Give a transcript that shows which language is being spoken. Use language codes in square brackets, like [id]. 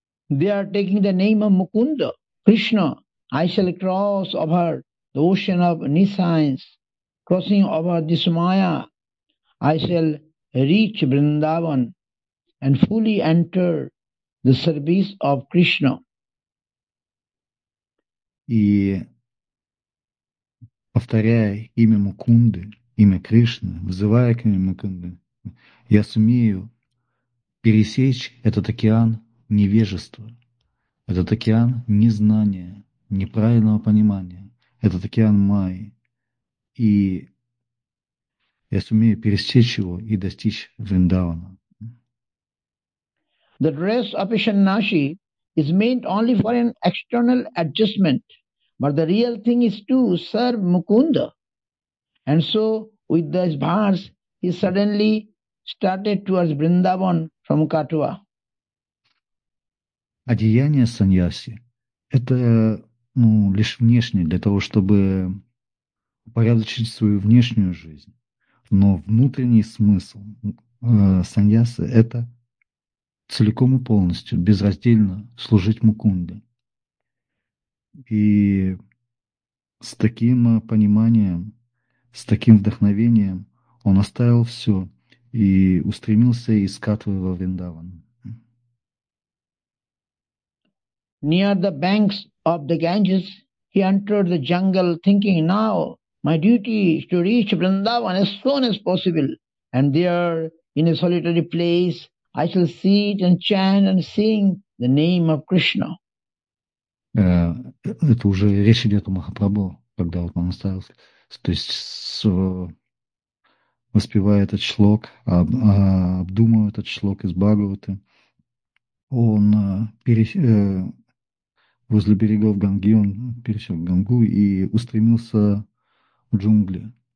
[en] They are taking the name of Mukunda, Krishna. I shall cross over the ocean of nescience, crossing over this Maya. I shall reach Vrindavan and fully enter the service of Krishna. [ru] И повторяя имя Мукунды, имя Кришны, взывая к имени Мукунды, я сумею пересечь этот океан невежества, этот океан незнания, неправильного понимания, этот океан Майи. И я сумею пересечь его и достичь Вриндавана. [en] The dress of a sannyasi is meant only for an external adjustment, but the real thing is to serve Mukunda. And so, with this verse, he suddenly started towards Vrindavan from Katwa. [ru] Одеяние саньяси – это ну, лишь внешнее для того, чтобы упорядочить свою внешнюю жизнь. Но внутренний смысл саньяса – это целиком и полностью, безраздельно служить Мукунде. И с таким пониманием, с таким вдохновением он оставил все и устремился искать во Вриндаван. [en] Near the banks of the Ganges, he entered the jungle thinking, now my duty is to reach Vrindavan as soon as possible. And there, in a solitary place, I shall sit and chant and sing the name of Krishna. [ru] Это уже речь идет о Махапрабху, когда вот он оставился. То есть, воспевая этот шлок, обдумывая этот шлок из Бхагаваты, он возле берегов Ганги, он пересек Гангу и устремился в джунгли.